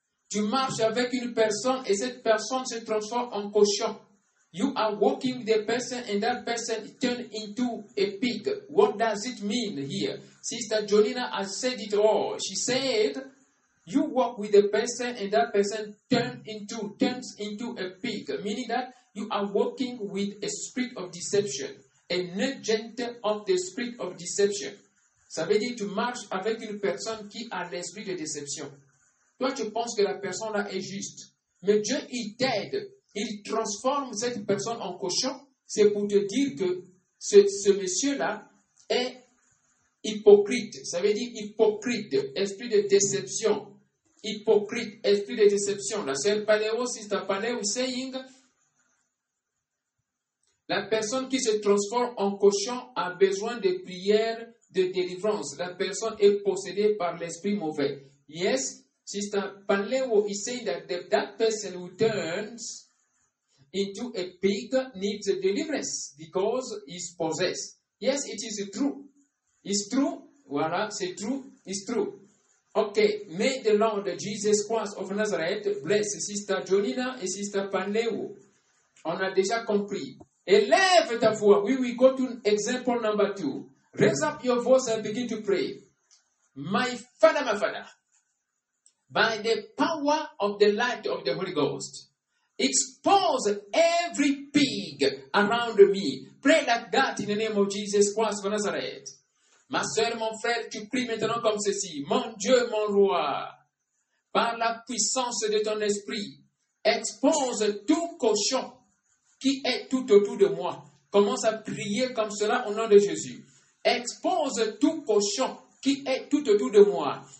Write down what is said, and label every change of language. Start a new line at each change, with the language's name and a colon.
French: Tu marches avec une personne et cette personne se transforme en cochon.
English: You are walking with a person and that person turns into a pig. What does it mean here? Sister Jonina has said it all. She said, you walk with a person and that person turns into a pig. Meaning that you are walking with a spirit of deception. An agent of the spirit of deception.
French: Ça veut dire que tu marches avec une personne qui a l'esprit de déception. Toi, tu penses que la personne là est juste. Mais Dieu, il t'aide. Il transforme cette personne en cochon. C'est pour te dire que ce monsieur-là est hypocrite. Ça veut dire hypocrite, esprit de déception. Hypocrite, esprit de déception. La sœur Paléo, sister Paléo,
English: saying,
French: la personne qui se transforme en cochon a besoin de prières de délivrance. La personne est possédée par l'esprit mauvais.
English: Yes, sister Paléo is saying that person who turns into a pig needs a deliverance because he's possessed. Yes, it is true. It's true.
French: Voilà, c'est
English: true. It's true. Okay, may the Lord Jesus Christ of Nazareth bless sister Jonina and sister Paléo.
French: On a déjà compris. Élève ta voix.
English: We will go to example number 2. Raise up your voice and begin to pray. My Father, by the power of the light of the Holy Ghost, expose every pig around me. Pray like that in the name of Jesus Christ of Nazareth.
French: Ma soeur, mon frère, tu pries maintenant comme ceci. Mon Dieu, mon roi, par la puissance de ton esprit, expose tout cochon qui est tout autour de moi. Commence à prier comme cela au nom de Jésus. Expose tout cochon qui est tout autour de moi.